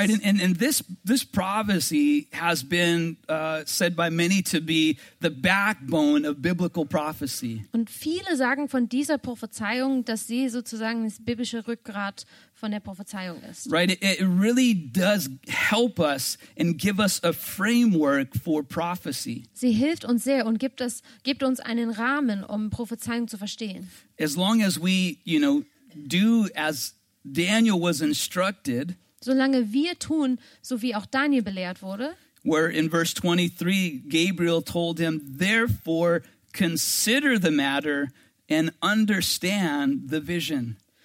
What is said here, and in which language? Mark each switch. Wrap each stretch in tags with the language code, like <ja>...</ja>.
<en>Right, and this prophecy has been said by many to be the backbone of biblical prophecy.</en> <de>Und viele sagen von dieser Prophezeiung, dass sie sozusagen das biblische Rückgrat von der Prophezeiung ist.</de> <en>Right, it really does help us and give us a framework for prophecy.</en> <de>Sie hilft uns sehr und gibt uns einen Rahmen, um Prophezeiung zu verstehen.</de> <en>As long as we, do as Daniel was instructed,</en> <de>solange wir tun, so wie auch Daniel belehrt wurde,</de> <en>where in verse 23 Gabriel told him, therefore consider the matter and understand the vision.</en>